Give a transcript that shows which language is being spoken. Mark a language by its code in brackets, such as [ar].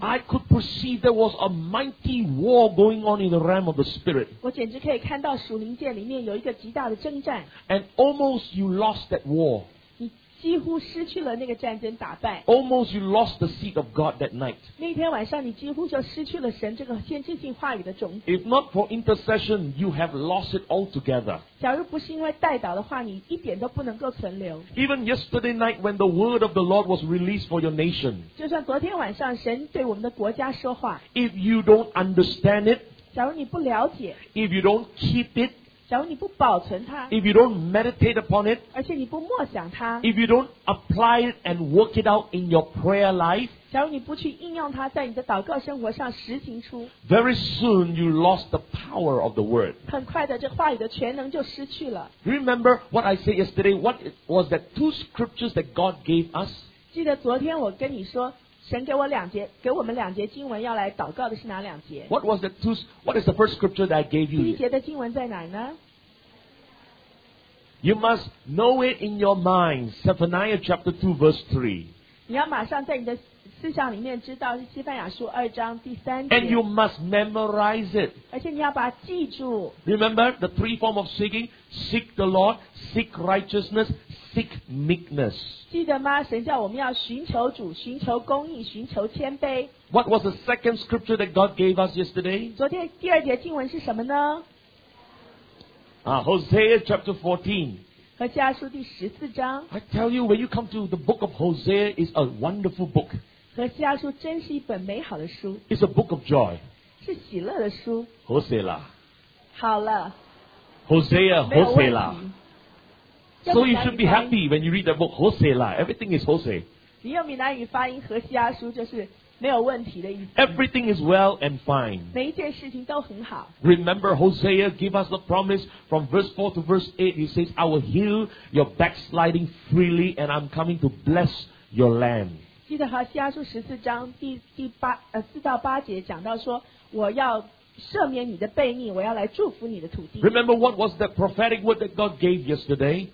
[en] I could perceive there was a mighty war going on in the realm of the spirit. [zh] 我简直可以看到属灵界里面有一个极大的征战。 [en] And almost you lost that war. [zh] 几乎失去了那个战争打败。 [en] Almost you lost the seed of God that night. [zh] 那天晚上你几乎就失去了神这个先知性话语的种子。 [en] If not for intercession, you have lost it altogether. [zh] 假如不是因为代祷的话，你一点都不能够存留。 [en] Even yesterday night when the word of the Lord was released for your nation. [zh] 就算昨天晚上神对我们的国家说话。 [en] If you don't understand it. [zh] 假如你不了解。 [en] If you don't keep it. [zh] 假如你不保存它 [en] if you don't meditate upon it, [zh] 而且你不默想它 [en] if you don't apply it and work it out in your prayer life, [zh] 假如你不去应用它在你的祷告生活上实行出 [en] very soon you lost the power of the word. [zh] 很快的这话语的全能就失去了 [en] Remember what I said yesterday, what was the two scriptures that God gave us? [zh] 记得昨天我跟你说神给我两节，给我们两节经文要来祷告的是哪两节 [en] ？What was the two? What is the first scripture that I gave you? [zh] 第一节的经文在哪呢 [en] ？You must know it in your mind, Zephaniah chapter 2 verse 3. [zh] 你要马上在你的思想里面知道是西班牙书二章第三节。 [en] And you must memorize it. [zh] 而且你要把它记住。 [en] Remember the three form of seeking: seek the Lord, seek righteousness. Seek meekness. [zh] 记得吗？神叫我们要寻求主，寻求公义，寻求谦卑。 [en] What was the second scripture that God gave us yesterday? [zh] 昨天第二节经文是什么呢？ [en] Hosea chapter 14. [zh] 何西阿书第十四章。 [en] I tell you, when you come to the book of Hosea, it's a wonderful book. [zh] 何西阿书真是一本美好的书。 [en] It's a book of joy. [zh] 是喜乐的书。 [en] Hosea. [zh] 好了。 [en] Hosea. So you should be happy when you read that book, Hosea. Everything is Hosea. [zh] 你用闽南语发音何西阿书就是没有问题的意思。 [en] Everything is well and fine. [zh] 每一件事情都很好。 [en] Remember Hosea gave us the promise from verse 4 to verse 8. He says, I will heal your backsliding freely and I'm coming to bless your land. [zh] 记得何西阿书十四章四到八节讲到说我要赦免你的悖逆，我要来祝福你的土地。 [en] Remember what was the prophetic word that God gave yesterday?